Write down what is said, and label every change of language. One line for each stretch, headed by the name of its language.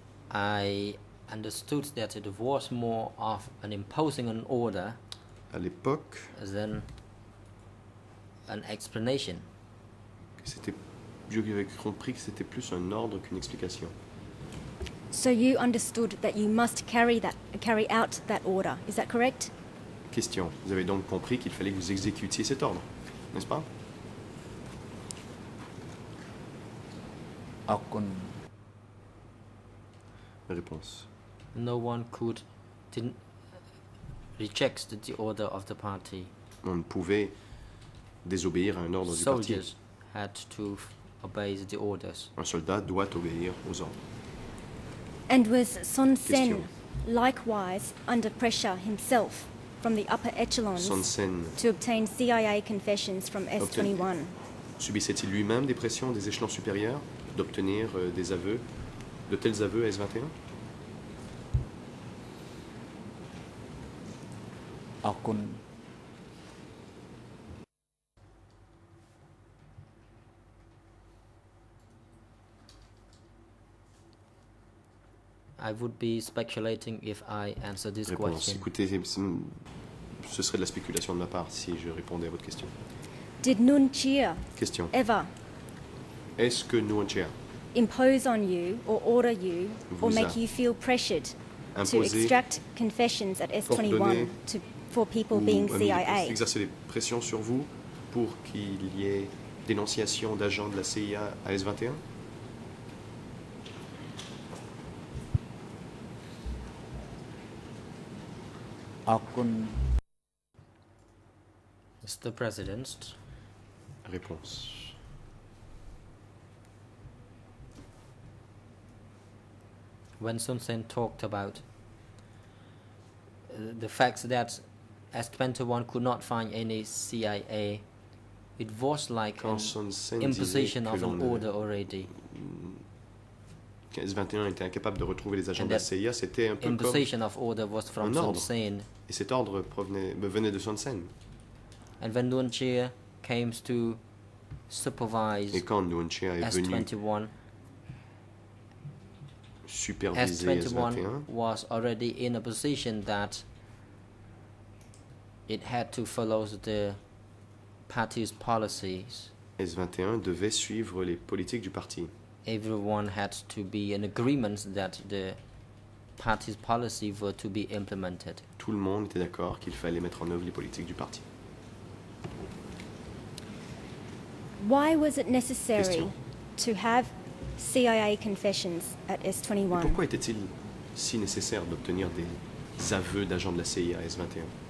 English: I understood that it was more of an imposing an order
French: à l'époque,
English: than an explanation.
French: C'était, j'avais compris que c'était plus un ordre qu'une explication.
English: So you understood that you must carry out that order. Is that correct?
French: Question. Vous avez donc compris qu'il fallait que vous exécutiez cet ordre, n'est-ce pas? Réponse.
English: No one could reject the order of the party.
French: On ne pouvait désobéir à un ordre du parti.
English: Soldiers had to obey the orders.
French: Un soldat doit obéir aux ordres.
English: And was Son Sen likewise under pressure himself from the upper echelons to obtain CIA confessions from S21?
French: Subissait-il lui-même des pressions des échelons supérieurs d'obtenir des aveux, de tels aveux à S21?
English: I would be speculating if I answer this
French: réponse. Question. Écoutez, ce serait de la spéculation de ma part si je répondais à votre question.
English: Did Nguyen Chia
French: question.
English: Ever
French: est-ce que Nguyen Chia
English: impose on you or order you or make you feel pressured to extract confessions at S21 to for people being CIA?
French: Exercer des pressions sur vous pour qu'il y ait dénonciation d'agents de la CIA à S21?
English: Mr. President.
French: Réponse.
English: When Sun Sen talked about the fact that S21 could not find any CIA, it was like an imposition of an order already.
French: S21 était incapable de retrouver les agents de la CIA, c'était un peu
English: imposition of order was from
French: un ordre.
English: Sun Sen.
French: Et cet ordre venait de Sun Sen.
English: And when Nguyen Chia came to supervise
French: et quand Nguyen Chia est venu
English: S21,
French: S21
English: was already in a position that it had to follow the party's policies.
French: S21 devait suivre les politiques du parti.
English: Everyone had to be in agreement that the party's policy were to be implemented.
French: Tout le monde était d'accord qu'il fallait mettre en œuvre les politiques du parti.
English: Why was it necessary to have CIA confessions at S21.
French: Pourquoi était-il si nécessaire d'obtenir des aveux d'agents de la CIA à S21?